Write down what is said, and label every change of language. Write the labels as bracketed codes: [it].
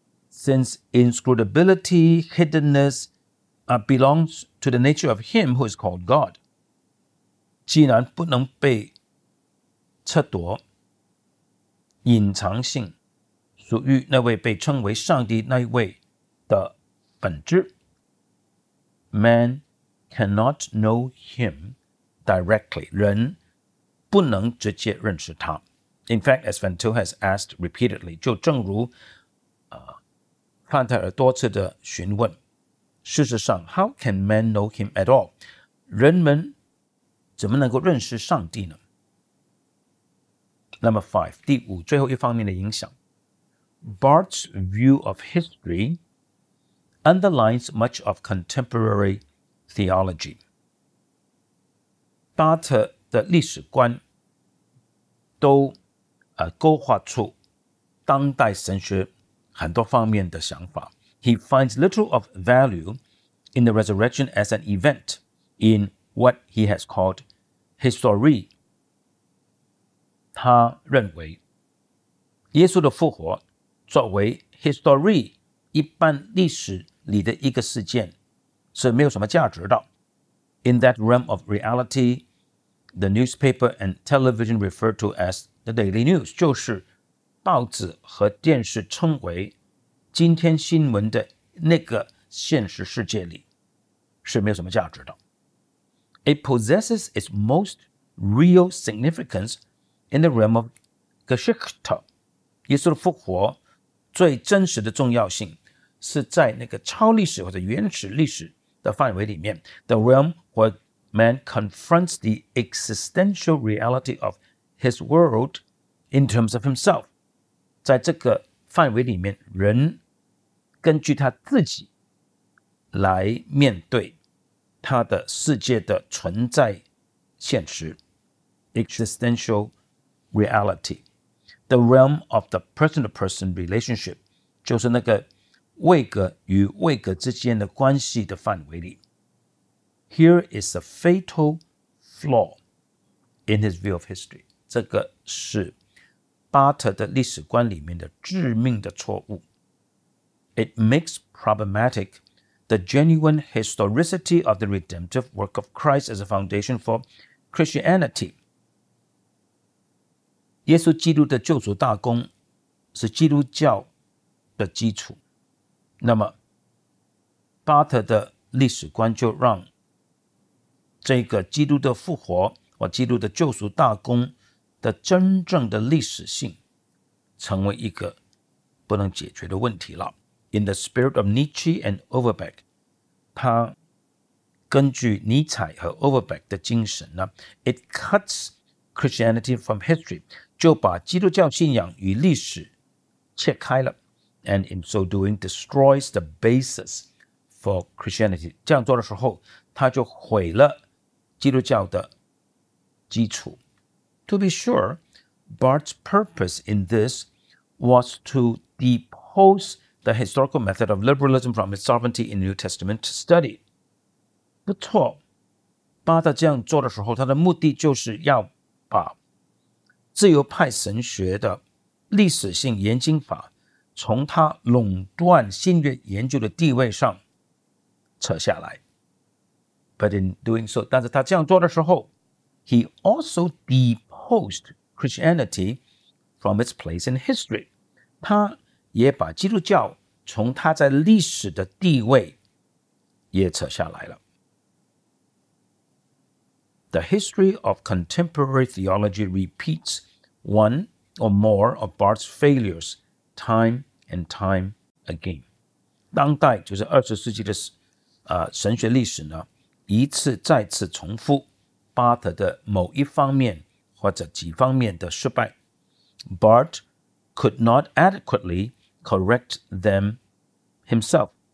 [en] Since inscrutability, hiddenness, belongs to the nature of him who is called God. [zh] 既然不能被测度，隐藏性属于那位被称为上帝那一位的本质。 [en] Man cannot know him directly. [zh] 人不能直接认识他。 [en] In fact, as Van Til has asked repeatedly, [zh] 就正如范泰尔多次的询问，事实上 [en] How can man know him at all? [zh] 人们怎么能够认识上帝呢？ [en] Number five, [zh] 第五最后一方面的影响。 [en] Barth's view of history underlines much of contemporary theology. [zh] 巴特的历史观都勾画出当代神学很多方面的想法。 [en] He finds little of value in the resurrection as an event in what he has called history. [zh] 他认为耶稣的复活作为 history 一般历史里的一个事件是没有什么价值的。 [en] In that realm of reality, the newspaper and television referred to as the daily news, [zh] 就是报纸和电视称为今天新闻的那个现实世界里是没有什么价值的。 [en] It possesses its most real significance in the realm of Geschichte. [zh] 耶稣的复活最真实的重要性是在那个超历史或者原始历史的范围里面。 [en] The realm where man confronts the existential reality of his world in terms of himself. [zh] 在这个范围里面，人根据他自己来面对他的世界的存在现实 [en] existential reality. The realm of the person-to-person relationship [zh] 就是那个位格与位格之间的关系的范围里。 [en] Here is a fatal flaw in his view of history. [zh] 这个是巴特的历史观里面的致命的错误。 [en] It makes problematic the genuine historicity of the redemptive work of Christ as a foundation for Christianity. [zh] 耶稣基督的救赎大功是基督教的基础。那么巴特的历史观就让这个基督的复活或基督的救赎大功的真正的历史性成为一个不能解决的问题了。 [en] In the spirit of Nietzsche and Overbeck, [zh] 他根据尼采和 Overbeck 的精神呢， [en] It cuts Christianity from history, [zh] 就把基督教信仰与历史切开了。 [en] And in so doing, destroys the basis for Christianity. [zh] 这样做的时候，他就毁了基督教的基础。 [en] To be sure, Barth's purpose in this was to depose the historical method of liberalism from its sovereignty in New Testament study. [zh] 不错，巴特这样做的时候，他的目的就是要把自由派神学的历史性研经法从他垄断新约研究的地位上扯下来。 [en] But in doing so, [zh] 但是他这样做的时候， [en] he also deposed Christianity from its place in history. [zh] 他也把基督教从他在历史的地位也扯下来了。 [en] The history of contemporary theology repeats one or more of Barth's failures time and time again. [zh] 当代就是二十世纪的神学历史呢，一次再次重复巴特的某一方面或者几方面的失败。 [en] Barth could not adequately correct them himself.